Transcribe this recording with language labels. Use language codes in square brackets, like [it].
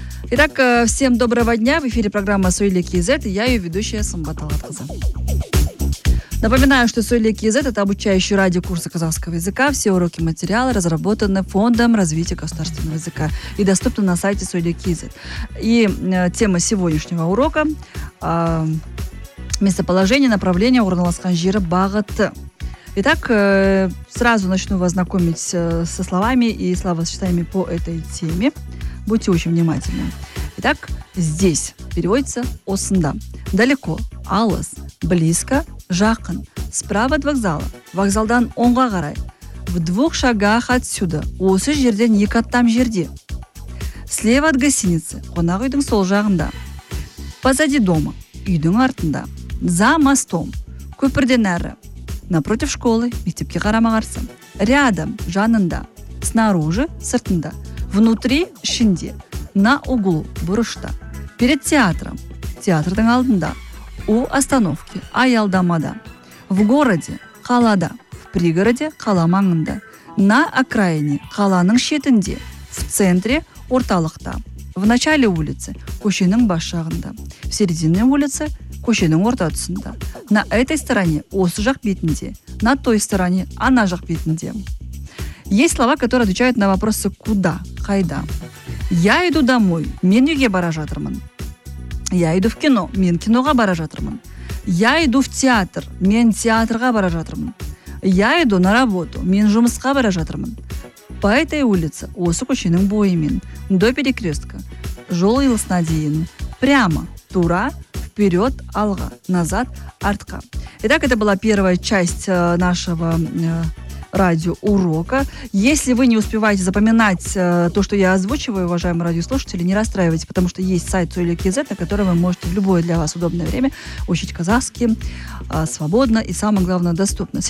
[ru] Итак, всем доброго дня. В эфире программа «Суйлет Кейзет» и я, ее ведущая Самбат Алатқызы. Напоминаю, что Суйлет Кейзет – это обучающий радиокурсы казахского языка. Все уроки и материалы разработаны Фондом развития государственного языка и доступны на сайте Суйлет Кейзет. И тема сегодняшнего урока – местоположение, направление [kk] Орналасқан жері бағыты. [ru] Итак, сразу начну вас знакомить со словами и словосочетаниями по этой теме. Будьте очень внимательны. Итак, «здесь» переводится [kk] «осында». [ru] «Далеко» – [kk] «алыс», [ru] «близко» – [kk] «жақын», [ru] справа от вокзала, [kk] вокзалдан оңға қарай, [ru] в двух шагах отсюда, [kk] осы жерден екі аттам жерде, [ru] слева от гостиницы, [kk] қонақ үйдің сол жағында, [ru] позади дома, [kk] үйдің артында, [ru] за мостом, [kk] көпірден әрі, [ru] напротив школы, [kk] мектепке қарама-қарсы, [ru] рядом, [kk] жанында, [ru] снаружи, [kk] сыртында, [ru] внутри, [kk] ішінде, [ru] на углу, [kk] бұрышта, [ru] перед театром, [kk] театрдың алдында, [ru] у остановки, [kk] аялдамада, [ru] в городе, [kk] қалада, [ru] в пригороде, [kk] қала маңында, [ru] на окраине, [kk] қаланың шетінде, [ru] в центре, [kk] орталықта, [ru] в начале улицы, [kk] көшенің бас жағында, [ru] в середине улицы, [kk] көшенің орта тұсында, [ru] на этой стороне, [kk] осы жақ бетінде, [ru] на той стороне, [kk] ана жақ бетінде. [ru] Есть слова, которые отвечают на вопросы «куда», [kk] «қайда». [ru] «Я иду домой», [kk] «мен үйге бара жатырмын». [ru] Я иду в кино, [kk] мен киноға бара жатырмын. [ru] Я иду в театр, [kk] мен театрға бара жатырмын. [ru] Я иду на работу, [kk] мен жұмысқа бара жатырмын. [ru] По этой улице, [kk] осы көшенің бойымен, [ru] до перекрестка, [kk] жол иылысына дейін, [ru] прямо, [kk] тура, [ru] вперед, [kk] алға, [ru] назад, [kk] артқа. [ru] Итак, это была первая часть нашего радиоурока. Если вы не успеваете запоминать то, что я озвучиваю, уважаемые радиослушатели, не расстраивайтесь, потому что есть сайт Суйлет Кейзет, на котором вы можете в любое для вас удобное время учить казахский свободно и, самое главное, доступно.